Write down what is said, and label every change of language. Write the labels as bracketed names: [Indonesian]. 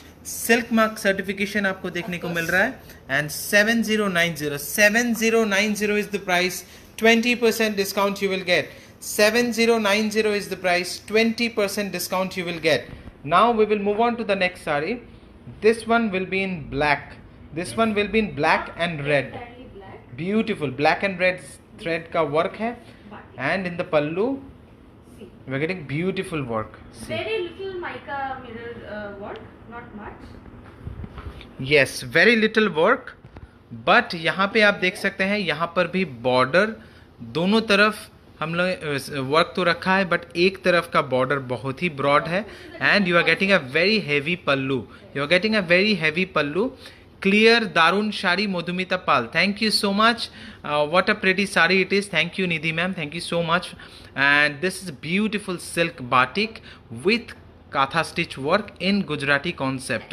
[Hindi] Silk mark certification आपको देखने को मिल रहा है [English] And 7090 is the price, 20% discount you will get. 7090 is the price, 20% discount you will get. Now we will move on to the next sari. this one will be in black, this one will be in black and red. Beautiful black and red thread [Hindi] ka work hai, [English] and in the pallu we are getting beautiful work. See. Very little mica mirror work, not much. Yes, very little work, [Hindi] but यहाँ पे आप देख सकते हैं यहाँ पर भी border दोनों तरफ हम लोग work तो रखा है, but एक तरफ का border बहुत ही broad है, [English] and you are getting a very heavy pallu. You are getting a very heavy pallu. Clear [Bangla] Darun Shari [English] Madhumita Pal. Thank you so much. What a pretty sari it is. Thank you Nidhi ma'am. Thank you so much. And this is beautiful silk batik with katha stitch work in Gujarati concept.